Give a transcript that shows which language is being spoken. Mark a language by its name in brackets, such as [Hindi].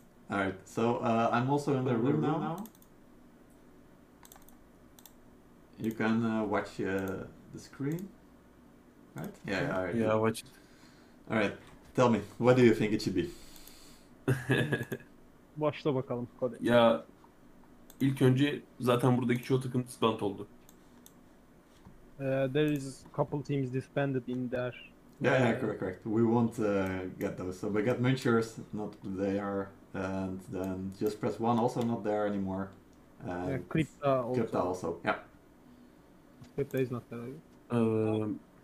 [English] Alright, so I'm also in the room now. You can watch the screen, right? Yeah, alright. Yeah, watch. Alright, tell me, what do you think it should be? [Turkish] Başla bakalım. Ya, ilk önce zaten buradaki çoğu takım disband oldu. [English] There is a couple teams disbanded in there. Yeah, correct. We won't get those. So we got Munchers, not there. And then Just Press 1 also not there anymore. And yeah, Crypta also. Yeah. Crypta is not there.